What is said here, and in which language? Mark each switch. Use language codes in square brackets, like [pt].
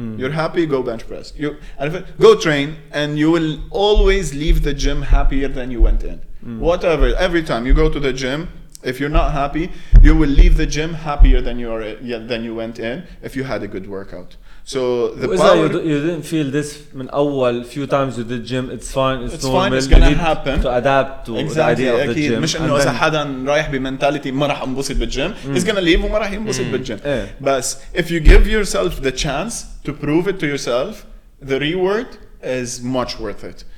[en] You're happy, go bench press. You and if it, go train, and you will always leave the gym happier than you went in. Whatever, every time you go to the gym, if you're not happy, you will leave the gym happier than you are than you went in if you had a good workout. So the power. That you didn't feel this من أول few times you did gym. It's fine. It's normal. It's fine. It's gonna happen. To adapt to exactly, the idea of the gym. [ar] مش إنه إذا حدا رايح بمنتاليتي ما راح ينبسط بالجيم. [en] He's gonna leave [ar] وما راح ينبسط بالجيم. [en] But if you give yourself the chance to prove it to yourself, the reward is much worth it.